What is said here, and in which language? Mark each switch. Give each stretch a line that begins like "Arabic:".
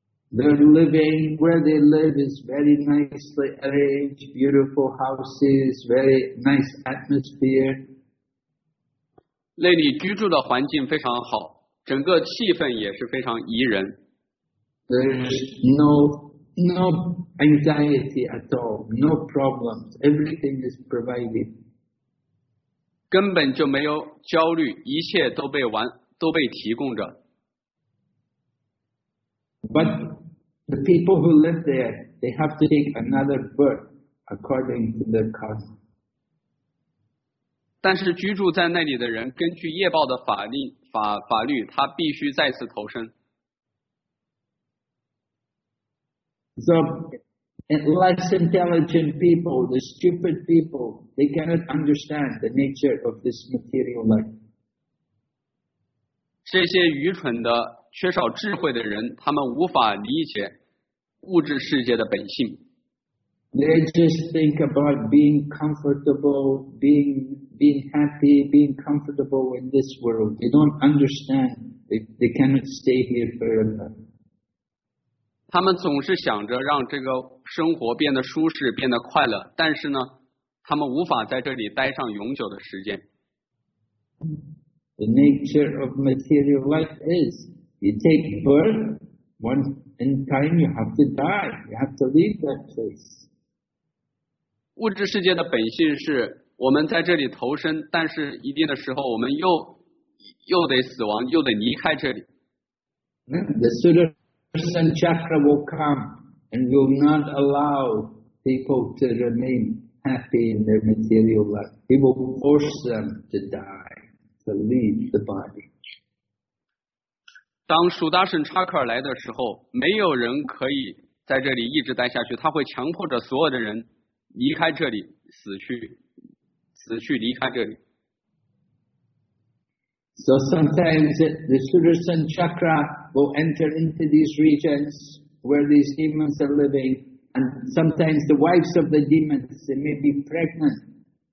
English: They're living where they live is very nicely arranged, beautiful houses, very nice atmosphere.
Chinese: 那里居住的环境非常好，整个气氛也是非常宜人。
English: There's no anxiety at all, no problems. Everything is provided.
Chinese: 根本就没有焦虑，一切都被提供着。
English: But The people who live there, they have to take another birth according to their karma.
Chinese: 但是居住在那里的人，根据业报的法律，他必须再次投生。
English: So, less intelligent people, the stupid people, they cannot understand the nature of this material life.
Chinese: 这些愚蠢的、缺少智慧的人，他们无法理解。物质世界的本性。
English: They just think about being comfortable, being happy, being comfortable in this world. They don't understand. They cannot stay here forever.
Chinese: 他们总是想着让这个生活变得舒适，变得快乐，但是呢，他们无法在这里待上永久的时间。
English: The nature of material life is you take birth. Once in time, you have to die. You have to leave that place.
Chinese: 物质世界的本性是我们在这里投生，但是一定的时候，我们又得死亡，又得离开这里。
English: The Sudarshan chakra will come and will not allow people to remain happy in their material life. He will force them to die, to leave the body.
Chinese: 当苏达什查克尔来的时候，没有人可以在这里一直待下去，他会强迫着所有的人离开这里，死去离开这里。
English: So sometimes the Sudarshan chakra will enter into these regions where these demons are living, and sometimes the wives of the demons, they may be pregnant.